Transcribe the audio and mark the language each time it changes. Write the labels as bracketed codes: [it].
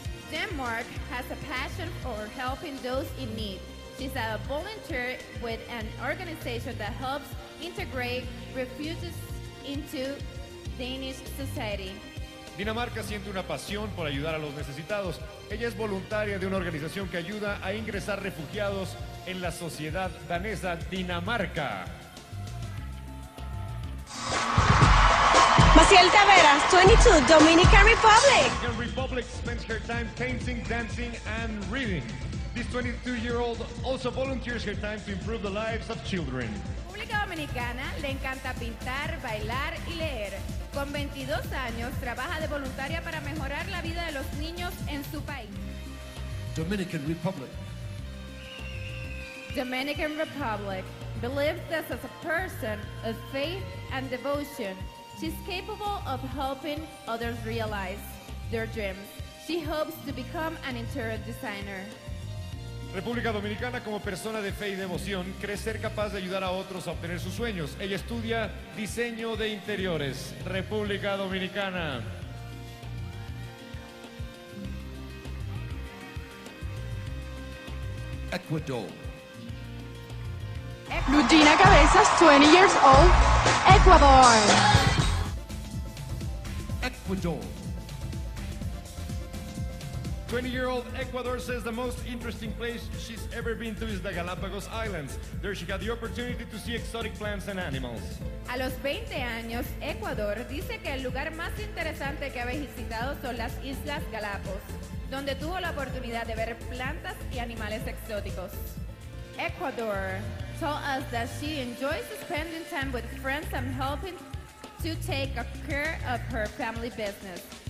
[en] Denmark has a passion for helping those in need. She's a volunteer with an organization that helps integrate refugees into Danish society. [es] Dinamarca siente una pasión por ayudar a los necesitados. Ella es voluntaria de una organización que ayuda a ingresar refugiados en la sociedad danesa Dinamarca. [en] Maciel Taveras, 22, Dominican Republic. Dominican Republic spends her time painting, dancing, and reading. This 22-year-old also volunteers her time to improve the lives of children. [es] República Dominicana le encanta pintar, bailar y leer. Con 22 años, trabaja de voluntaria para mejorar la vida de los niños en su país. [en] Dominican Republic. Dominican Republic believes this as a person of faith and devotion. She's capable of helping others realize their dreams. She hopes to become an interior designer. [es] República Dominicana, como persona de fe y devoción, cree ser capaz de ayudar a otros a obtener sus sueños. Ella estudia diseño de interiores. República Dominicana. Ecuador. [en] Lugina Cabezas, 20 years old, Ecuador. Ecuador. 20-year-old Ecuador says the most interesting place she's ever been to is the Galapagos Islands. There she got the opportunity to see exotic plants and animals. [es] A los 20 años, Ecuador dice que el lugar más interesante que ha visitado son las Islas Galapagos, donde tuvo la oportunidad de ver plantas y animales exóticos. [en] Ecuador told us that she enjoys spending time with friends and helping to take care of her family business.